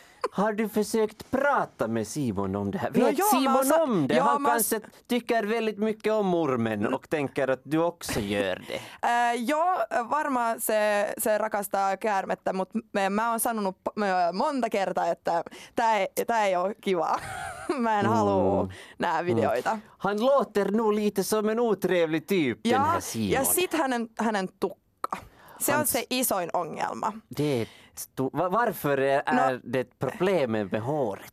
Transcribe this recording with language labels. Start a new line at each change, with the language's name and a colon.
Swedish: Har du försökt prata med Simon om det här? Vet Simon om det? Han kanske tycker väldigt mycket om ormen och tänker att du också gör det.
Finnish: Varmaan se rakastaa käärmettä, mutta mä oon sanonut monta kertaa, että tää ei ole kivaa. Mä en halua nää videoita.
Swedish: Han låter nog lite som en otrevlig typ, ja, den här Simon.
Finnish: Ja sit hänen tukka. Se on se isoin ongelma.
Swedish: Varför är det problemet med håret?